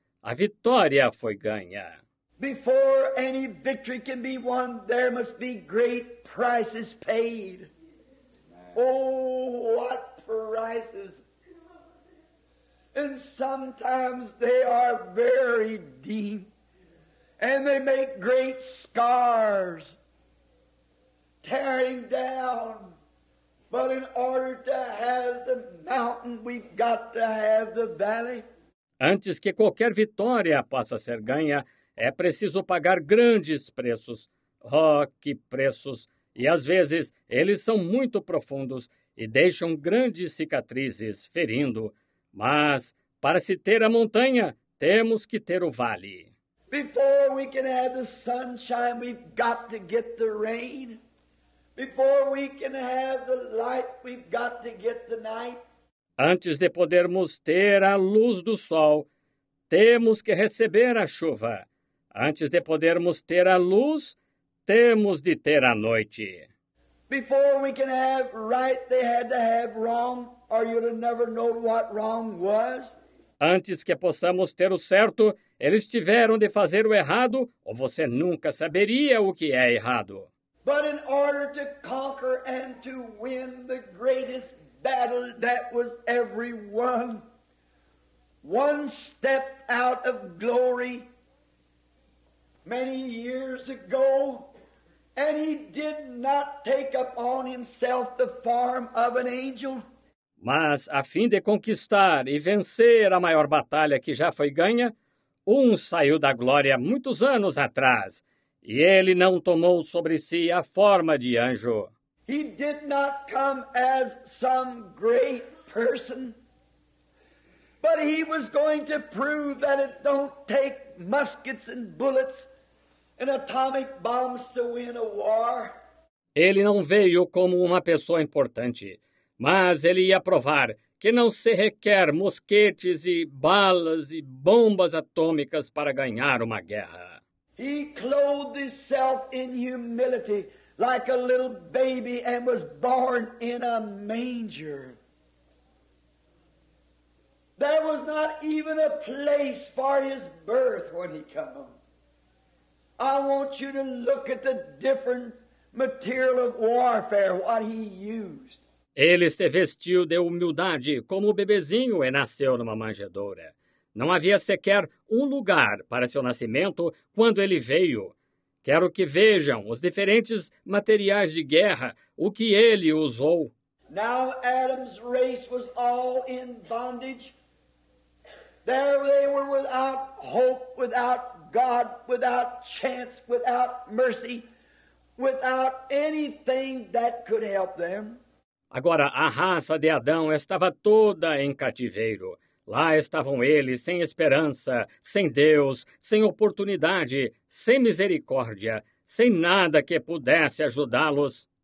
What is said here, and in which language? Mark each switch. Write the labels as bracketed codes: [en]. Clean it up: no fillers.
[pt] A vitória foi ganha. [en] Before any victory can be won, there must be great prices paid. Oh, what prices! And sometimes they are very deep, and they make great scars, tearing down. But in order to have the mountain, we've got to have the valley. [pt] Antes que qualquer vitória possa ser ganha, é preciso pagar grandes preços. Oh, que preços! E às vezes eles são muito profundos e deixam grandes cicatrizes, ferindo. Mas para se ter a montanha, temos que ter o vale. [en] Before we can have the sunshine, we've got to get the rain. Before we can have the light, we've got to get the night. [pt] Antes de podermos ter a luz do sol, temos que receber a chuva. Antes de podermos ter a luz, temos de ter a noite. [en] Before we can have right, they had to have wrong, or you'd have never known what wrong was. [pt] Antes que possamos ter o certo, eles tiveram de fazer o errado, ou você nunca saberia o que é errado. [en] But in order to conquer and to win the greatest battle that was ever won, one step out of glory many years ago, and he did not take upon himself the form of an angel. [pt] Mas a fim de conquistar e vencer a maior batalha que já foi ganha, saiu da glória muitos anos atrás. E ele não tomou sobre si a forma de anjo. [en] He did not come as some great person, but he was going to prove that it don't take muskets and bullets and atomic bombs to win a war. [pt] Ele não veio como uma pessoa importante, mas ele ia provar que não se requer mosquetes e balas e bombas atômicas para ganhar uma guerra. [en] He clothed himself in humility like a little baby and was born in a manger. There was not even a place for his birth when he came. I want you to look at the different material of warfare, what he used. [pt] Ele se vestiu de humildade como o bebezinho e nasceu numa manjedoura. Não havia sequer lugar para seu nascimento quando ele veio. Quero que vejam os diferentes materiais de guerra, o que ele usou. [en] Now Adam's race was all in bondage. There they were without hope, without God, without chance, without mercy, without anything that could help them. [pt] Agora, a raça de Adão estava toda em cativeiro. Lá estavam eles, sem esperança, sem Deus, sem oportunidade, sem misericórdia, sem nada que pudesse ajudá-los.